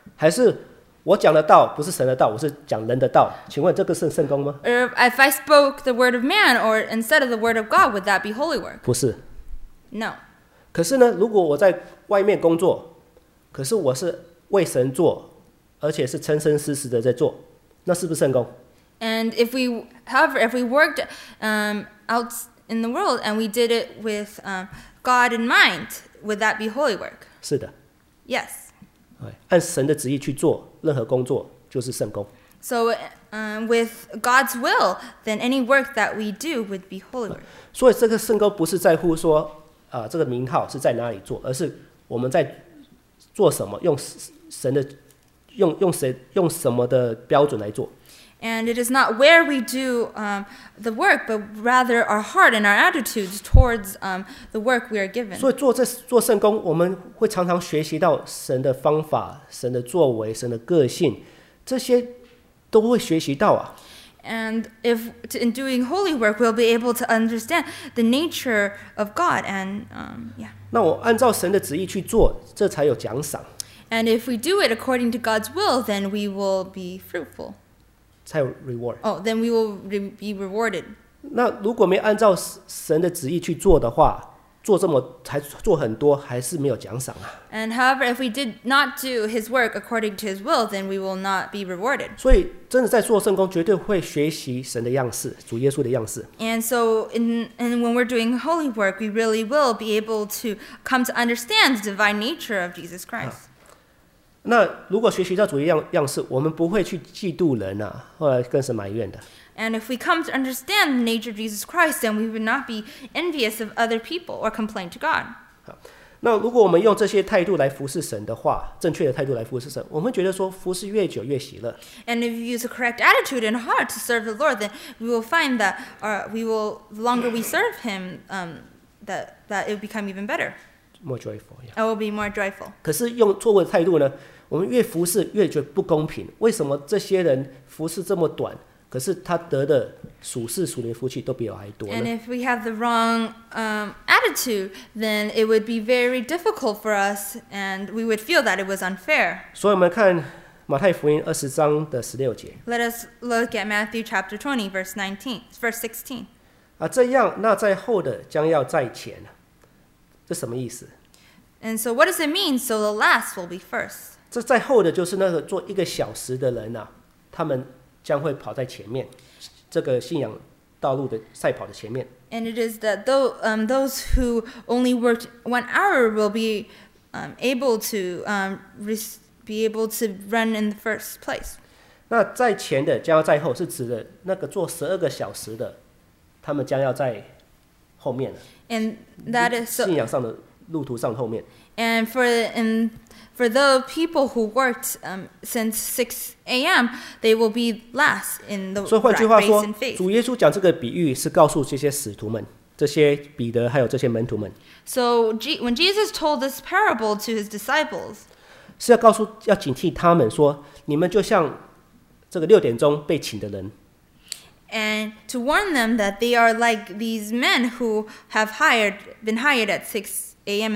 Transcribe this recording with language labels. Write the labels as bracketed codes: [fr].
[zh] 还是我讲的道不是神的道，我是讲人的道，请问这个是圣工吗？ [en] Or if I spoke the word of man, or instead of the word of God, would that be holy work? [zh] 不是。 [en] No. [zh] 可是呢，如果我在外面工作，可是我是为神做，而且是真真实实的在做，那是不是圣工？ [en] And if we worked out in the world and we did it with God in mind, would that be holy work? [zh] 是的。 [en] Yes. [zh] 按神的旨意去做任何工作就是圣工。 [en] So, with God's will, then any work that we do would be holy work. [zh] 所以这个圣工不是在乎说这个名号是在哪里做，而是我们在做什么，用神的用什么的标准来做。 [en] And it is not where we do the work, but rather our heart and our attitudes towards the work we are given. [zh] 所以做圣工，我们会常常学习到神的方法、神的作为、神的个性，这些都会学习到啊。 [en] And if in doing holy work, we'll be able to understand the nature of God and yeah. [zh] 那我按照神的旨意去做，这才有奖赏。 [en] And if we do it according to God's will, then we will be fruitful. [zh] 才有 [en] reward. Oh, then we will be rewarded. [zh] 那如果没按照神的旨意去做的话，做这么才做很多，还是没有奖赏啊。 [en] And however, if we did not do his work according to his will, then we will not be rewarded. [zh] 所以真的在做圣工，绝对会学习神的样式，主耶稣的样式。 [en] And so, when we're doing holy work, we really will be able to come to understand the divine nature of Jesus Christ. [zh] 那如果学习到主的样式，我们不会去嫉妒人啊，或者更是埋怨的。 [en] And if we come to understand the nature of Jesus Christ, then we would not be envious of other people or complain to God. [zh] 那如果我们用这些态度来服侍神的话，正确的态度来服侍神，我们觉得说服侍越久越喜乐。 [en] And if you use a correct attitude and heart to serve the Lord, then we will find that the longer we serve Him, that it will become even better. More joyful, yeah. I will be more joyful. [zh] 可是用错误的态度呢，我们越服侍越觉得不公平。为什么这些人服侍这么短，可是他得的属世属灵福气都比我还多呢？ [en] And if we have the wrong attitude, then it would be very difficult for us, and we would feel that it was unfair. [zh] 所以我们看马太福音20章的16节。 [en] Let us look at Matthew chapter 20, verse 19, verse 16. [zh] 啊，这样那在后的将要在前。这什么意思？ [en] And so what does it mean? So the last will be first. [zh] 这在后的就是那个做一个小时的人啊，他们将会跑在前面，这个信仰道路的赛跑的前面。 [en] And it is that those who only worked 1 hour will be able to run in the first place. [zh] 那在前的将要在后是指的那个做12个小时的，他们将要在后面了。 [en] And that is so, [zh] 信仰上的路途上后面。 [en] And for the people who worked since 6 a.m., they will be last in the race. [zh] 所以换句话说，主耶稣讲这个比喻是告诉这些使徒们，这些彼得还有这些门徒们。 [en] So when Jesus told this parable to his disciples, [zh] 是要告诉要警惕他们说，你们就像这个6点钟被请的人。 [en] And to warn them that they are like these men who have been hired at 6 a.m.